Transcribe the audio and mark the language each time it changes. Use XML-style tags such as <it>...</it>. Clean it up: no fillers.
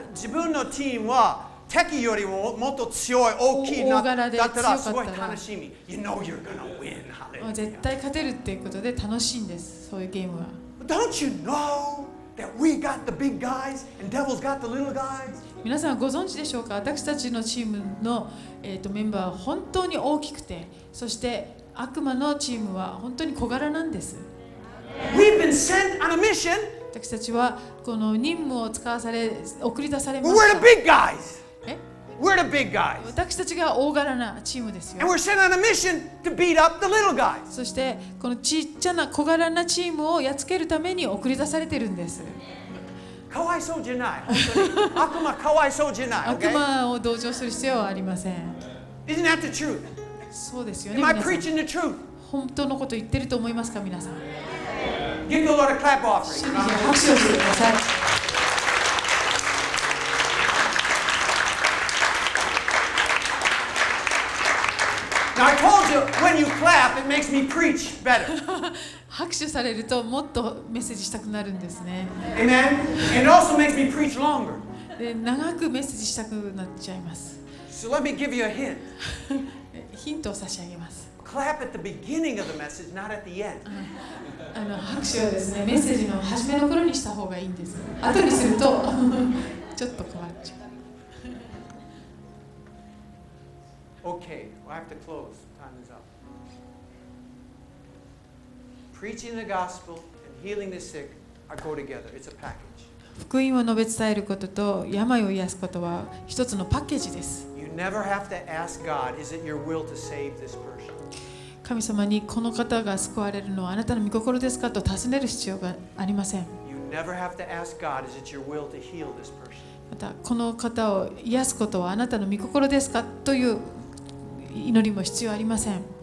<ja>チームは敵よりももっと強い、大きいな、大柄で強かったら、だったらすごい楽しみ。</ja> <en>You know you're gonna win.</en> <ja>絶対勝てるっていうことで楽しいんです、そういうゲームは。</ja> <en>Don't you know that we got the big guys and devil's got the little guys?</en> <ja>皆さんご存知でしょうか、私たちのチームの、メンバーは本当に大きくて、そして悪魔のチームは本当に小柄なんです。</ja> <en>We've been sent on a mission.</en> <ja>私たちはこの任務を使わされ送り出されました</ja> <en>。 We're the big guys. We're the big guys.</en> <ja>私たちが大柄なチームですよ。</ja> <en>And we're sent on a mission to beat up the little guys.</en> <ja>そしてこのちっちゃな小柄なチームをやっつけるために送り出されているんです。かわいそうじゃない。本当に悪魔かわいそうじゃない。</ja> <en>Okay?</en> <ja>悪魔を同情する必要はありません。</ja> <en>Isn't that the truth?</en> <ja>そうですよね。</ja> <en>Am I preaching the truth?</en> <ja>本当のこと言ってると思いますか、皆さん。</ja> <en>Give the Lord a clap offering.</en> <ja>信じて拍手をしてください。</ja> <en>Now I told you when you clap, it makes me preach better.</en> <ja>拍手されるともっとメッセージしたくなるんですね。</ja> <en>Amen. And it also makes me preach longer.</en> <ja>で長くメッセージしたくなっちゃいます。</ja> <en>So let me give you a hint.</en> <ja>ヒントを差し上げます。</ja> <en>Clap at the beginning of the message, not at the end.</en> <ja>あの拍手はですね、メッセージの始めの頃にした方がいいんです。後にするとちょっと変わっちゃう。</ja> <en>Okay, well, I have to close. Time is up. Preaching the gospel and healing the sick are go together. It's a package.</en> <ja>福音を述べ伝えることと病を癒すことは一つのパッケージです。</ja> <en>You never have to ask God, is it your will to save this person?</en> <ja>神様にこの方が救われるのはあなたの御心ですかと尋ねる必要がありません。</ja> <en>You never have to ask God, is it your will to heal this person?</en> <ja>またこの方を癒すことはあなたの御心ですかという祈りも必要ありません。</ja>